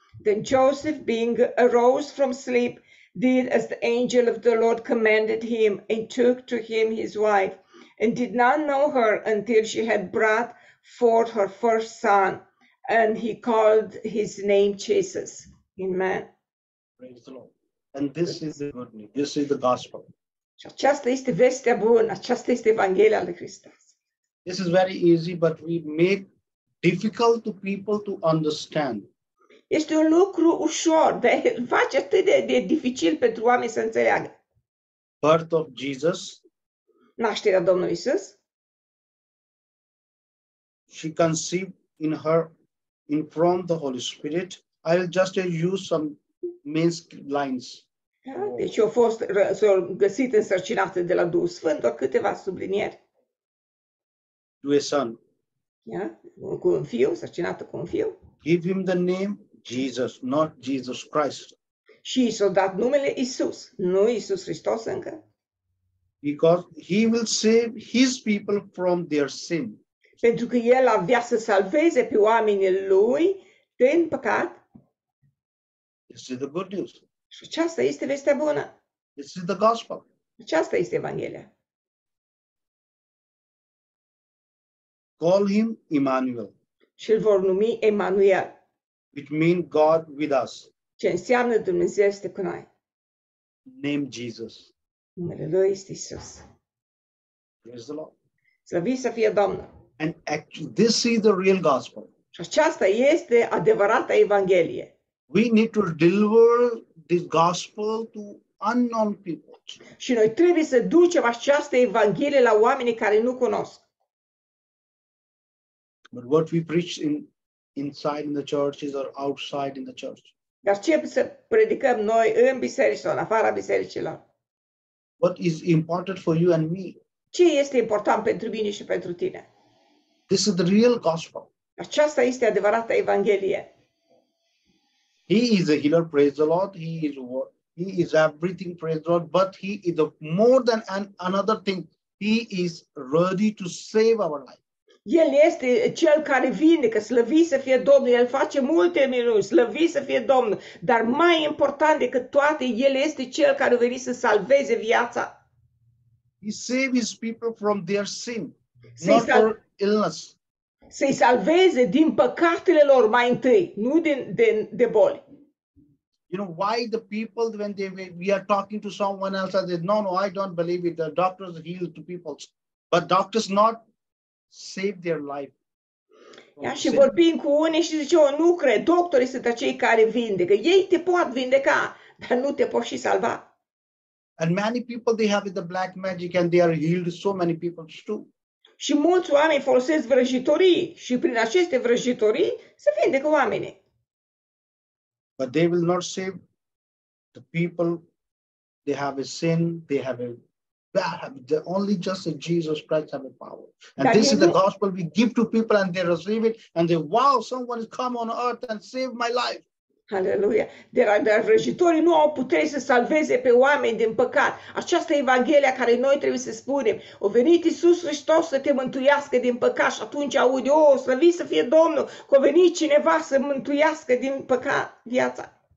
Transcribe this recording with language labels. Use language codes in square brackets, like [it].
[en] Then Joseph, being arose from sleep, did as the angel of the Lord commanded him, and took to him his wife, and did not know her until she had brought forth her first son, and he called his name Jesus. Amen. Praise the Lord. And this is the good news. This is the gospel. [ro] Aceasta este vestea bună. Aceasta este Evanghelia lui Hristos. [en] This is very easy, but we make difficult to people to understand. [ro] Este un lucru ușor, dar face atât de dificil pentru oameni să înțeleagă. [en] Birth of Jesus. [ro] Nașterea Domnului Iisus. [en] She conceived in her, in front of the Holy Spirit. I'll just use some Minsk lines. [ro] Deci au fost găsit însărcinată de la Duhul Sfânt, doar câteva sublinieri. [en] To a son. Yeah? [ro] Cu un fiu, însărcinată cu un fiu. [en] Give him the name Jesus, not Jesus Christ. [ro] Și i s-a dat numele Iisus, nu Iisus Hristos încă. [en] Because he will save his people from their sin. [ro] Pentru că el avea să salveze pe oamenii lui din păcat. [en] This is the good news. [ro] Și aceasta este vestea bună. [en] This is the gospel. [ro] Aceasta este Evanghelia. [en] Call him Emmanuel. [ro] Și îl vor numi Emmanuel. [en] Which means God with us. [ro] Ce înseamnă Dumnezeu este cu noi. [en] Name Jesus. [ro] Numele lui este Iisus. [en] Praise the Lord. [ro] Slăviți să fie Domnul. [en] And actually, this is the real gospel. [ro] Și aceasta este adevărata Evanghelie. [en] We need to deliver this gospel to unknown people. [ro] Și noi trebuie să ducem această evanghelie la oamenii care nu cunosc. [en] But what we preach inside in the churches or outside in the church. [ro] Dar ce să predicăm noi în biserici sau în afara bisericilor? [en] What is important for you and me? [ro] Ce este important pentru mine și pentru tine? [en] This is the real gospel. [ro] Aceasta este adevărata evanghelie. [en] He is a healer, praise the Lord. He is everything, praise the Lord. But he is more than another thing. He is ready to save our life. [ro] El este cel care vindecă, slăvit să fie Domnul. El face multe minuni, slăvit să fie Domnul. Dar mai important decât toate, el este cel care a venit să salveze viața. [en] He saves his people from their sin, not their illness. [ro] Să-i salveze din păcatele lor mai întâi, nu de boli. [en] You know why the people when we are talking to someone else and they say, no, I don't believe it. The doctors heal to people, but doctors not save their life. [ro] Ia și vorbim cu unii și zice, oh, nu cred, doctorii sunt acei care vindecă. Ei te pot vindeca, dar nu te pot și salva. [en] And many people they have the black magic and they are healed so many people too. [ro] Și mulți oameni folosesc vrăjitorii și prin aceste vrăjitorii se vindecă oamenii. [en] But they will not save the people. They have a sin, they have the only just a Jesus Christ have a power. And this is the gospel we give to people and they receive it and they, wow, someone has come on earth and saved my life. [ro] Aleluia! De la vrăjitorii nu au putere să salveze pe oameni din păcat. Aceasta e Evanghelia care noi trebuie să spunem. O venit Iisus Hristos să te mântuiască din păcat și atunci aude, o, slăvit să fie Domnul, că a venit cineva să mântuiască din păcat viața.